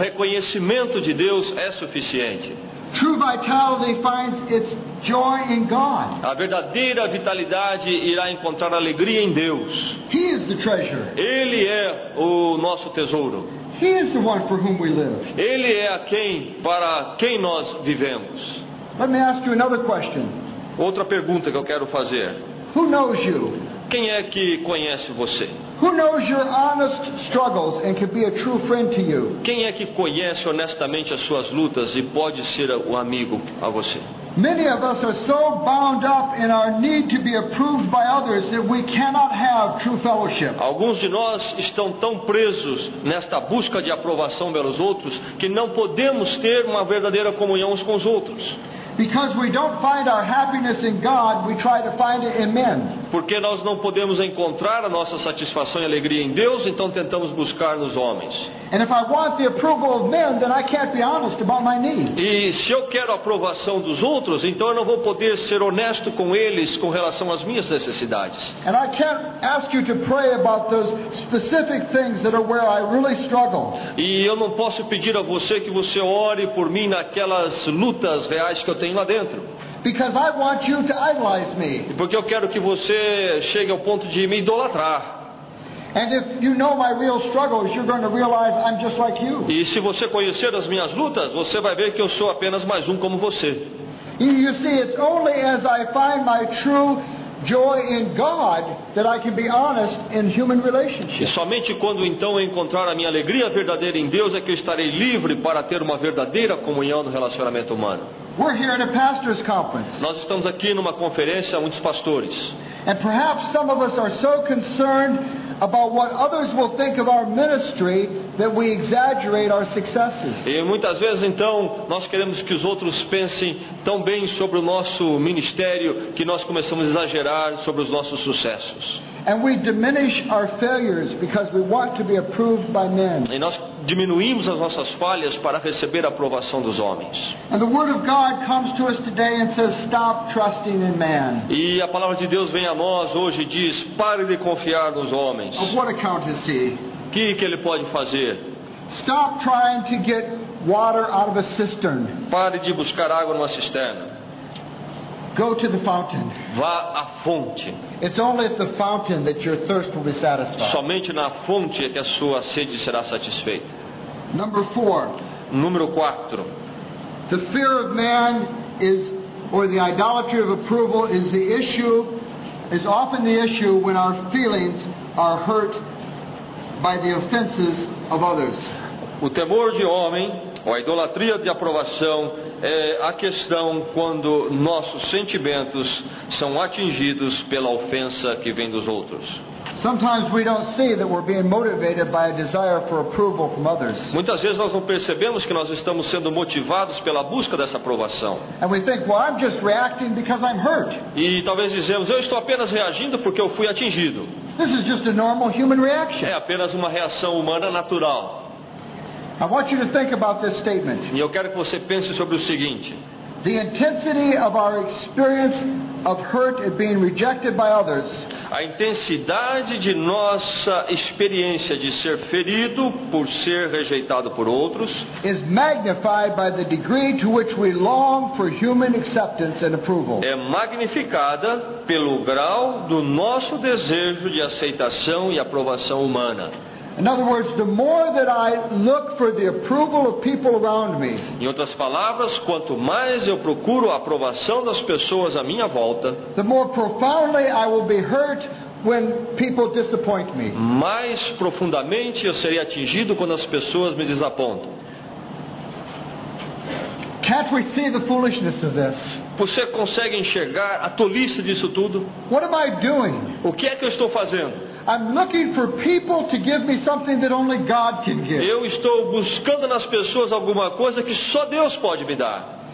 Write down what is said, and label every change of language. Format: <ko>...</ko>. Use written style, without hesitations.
<pt>O reconhecimento de Deus é suficiente.</pt> <en>True vitality finds its joy in God.</en> <pt>A verdadeira vitalidade irá encontrar alegria em Deus.</pt> <en>He is the treasure.</en> <pt>Ele é o nosso tesouro.</pt> <en>He is the one for whom we live.</en> <pt>Ele é aquele para quem nós vivemos.</pt> <en>Let me ask you another question.</en> <pt>Outra pergunta que eu quero fazer.</pt> <en>Who knows you?</en> <pt>Quem é que conhece você?</pt> <en>Who knows your honest struggles and can be a true friend to you?</en> <pt>Quem é que conhece honestamente as suas lutas e pode ser um amigo a você?</pt> <en>Many of us are so bound up in our need to be approved by others that we cannot have true fellowship.</en> <pt>Alguns de nós estão tão presos nesta busca de aprovação pelos outros que não podemos ter uma verdadeira comunhão uns com os outros.</pt> <en>Because we don't find our happiness in God, we try to find it in men.</en> <pt>Porque nós não podemos encontrar a nossa satisfação e alegria em Deus, então tentamos buscar nos homens.</pt> <en>And if I want the approval of men, then I can't be honest about my needs.</en> <pt>E se eu quero a aprovação dos outros, então eu não vou poder ser honesto com eles com relação às minhas necessidades.</pt> <en>And I can't ask you to pray about those specific things that are where I really struggle.</en> <pt>E eu não posso pedir a você que você ore por mim naquelas lutas reais que eu tenho lá dentro.</pt> <en>Because I want you to idolize me.</en> <pt>Porque eu quero que você chegue ao ponto de me idolatrar.</pt> <en>And if you know my real struggles, you're going to realize I'm just like you.</en> <pt>E se você conhecer as minhas lutas, você vai ver que eu sou apenas mais um como você.</pt> <en>You see, it's only as I find my true joy in God that I can be honest in human relationships.</en> <pt>E somente quando então eu encontrar a minha alegria verdadeira em Deus é que eu estarei livre para ter uma verdadeira comunhão no relacionamento humano.</pt> <en>We're here at a pastor's conference.</en> <pt>Nós estamos aqui numa conferência com muitos pastores.</pt> <en>And perhaps some of us are so concerned about what others will think of our ministry that we exaggerate our successes.</en> <pt>E muitas vezes então nós queremos que os outros pensem tão bem sobre o nosso ministério que nós começamos a exagerar sobre os nossos sucessos.</pt> <en>And we diminish our failures because we want to be approved by men.</en> <pt>E nós diminuímos as nossas falhas para receber a aprovação dos homens.</pt> <en>And the word of God comes to us today and says, stop trusting in man.</en> <pt>E a palavra de Deus vem a nós hoje e diz, pare de confiar nos homens.</pt> <en>Of what account is he?</en> <pt>Que ele pode fazer?</pt> <en>Stop trying to get water out of a cistern.</en> <pt>Pare de buscar água numa cisterna.</pt> <en>Go to the fountain.</en> <pt>Vá à fonte.</pt> <en>It's only at the fountain that your thirst will be satisfied.</en> <pt>Somente na fonte é que a sua sede será satisfeita.</pt> <en>Number four.</en> <pt>Número 4.</pt> <en>The fear of man is, or the idolatry of approval is the issue, is often the issue when our feelings are hurt by the offenses of others.</en> <pt>O temor de homem, ou a idolatria de aprovação, é a questão quando nossos sentimentos são atingidos pela ofensa que vem dos outros.</pt> <en>Sometimes we don't see that we're being motivated by a desire for approval from others.</en> <pt>Muitas vezes nós não percebemos que nós estamos sendo motivados pela busca dessa aprovação.</pt> <en>And we think, well, I'm just reacting because I'm hurt.</en> <pt>E talvez dizemos, eu estou apenas reagindo porque eu fui atingido.</pt> <en>This is just a normal human reaction.</en> <pt>É apenas uma reação humana natural.</pt> <en>I want you to think about this statement.</en> <pt>E eu quero que você pense sobre o seguinte.</pt> <en>The intensity of our experience of hurt at being rejected by others.</en> <pt>A intensidade de nossa experiência de ser ferido por ser rejeitado por outros</pt> <en>is magnified by the degree to which we long for human acceptance and approval.</en> <pt>É magnificada pelo grau do nosso desejo de aceitação e aprovação humana.</pt> <en>In other words, the more that I look for the approval of people around me.</en> <pt>Em outras palavras, quanto mais eu procuro a aprovação das pessoas à minha volta,</pt> <en>the more profoundly I will be hurt when people disappoint me.</en> <pt>Mais profundamente eu serei atingido quando as pessoas me desapontam.</pt> <en>Can't we see the foolishness of this?</en> <pt>Você consegue enxergar a tolice disso tudo?</pt> <en>What am I doing?</en> <pt>O que é que eu estou fazendo?</pt> <en>I'm looking for people to give me something that only God can give.</en> <pt>Eu estou buscando nas pessoas alguma coisa que só Deus pode me dar.</pt>